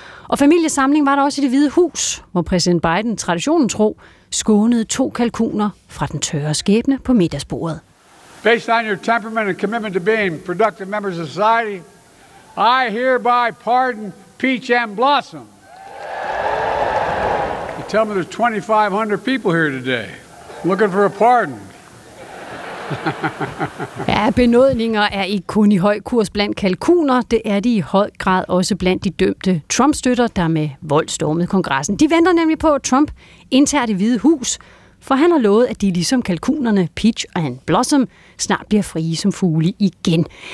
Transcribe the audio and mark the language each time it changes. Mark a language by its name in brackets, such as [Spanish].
[Danish] Og familiesamling var der også i Det Hvide Hus, hvor præsident Biden, traditionen tro, skånede to kalkuner fra den tørre skæbne på middagsbordet. [English] Based on your temperament and commitment to being productive members of society, I hereby pardon Peach and Blossom. You tell me there's 2,500 people here today looking for a pardon. [Danish] Ja, benådninger er ikke kun i høj kurs blandt kalkuner, det er de i høj grad også blandt de dømte Trump-støtter, der med vold stormede kongressen. De venter nemlig på, at Trump indtager Det Hvide Hus, for han har lovet, at de ligesom kalkunerne Peach og Ann Blossom snart bliver frie som fugle igen.